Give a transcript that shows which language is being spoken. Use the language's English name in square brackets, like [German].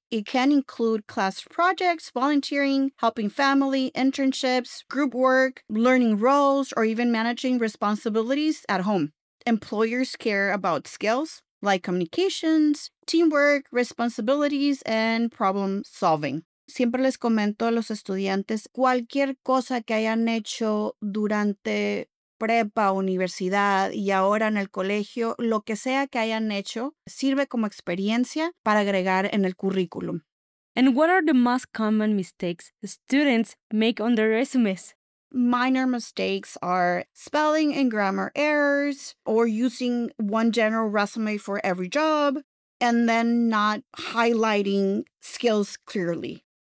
[English] It can include class projects, volunteering, helping family, internships, group work, learning roles, or even managing responsibilities at home. Employers care about skills like communications, teamwork, responsibilities, and problem solving. [Spanish] Siempre les comento a los estudiantes, cualquier cosa que hayan hecho durante prepa, universidad y ahora en el colegio, lo que sea que hayan hecho, sirve como experiencia para agregar en el currículum. [English] And what are the most common mistakes students make on their resumes? Minor mistakes are spelling and grammar errors, or using one general resume for every job, and then not highlighting skills clearly.